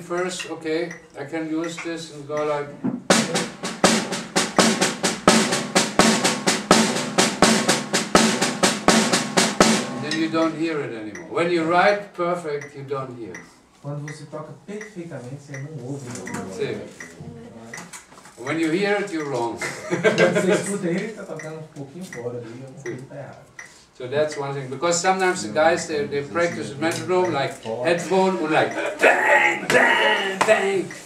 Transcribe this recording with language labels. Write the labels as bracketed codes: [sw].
[en] First, okay, I can use this and go like. And then you you don't hear it anymore. When you write perfect, you don't hear. [pt] Quando você toca perfeitamente, você não ouve. Sim. [en] When you hear it, you're wrong. [pt] Quando você escuta ele, está tocando pouquinho fora ali, está errado. [en] So that's one thing, because sometimes the guys, they practice the metronome, like headphone, or like bang, bang, bang.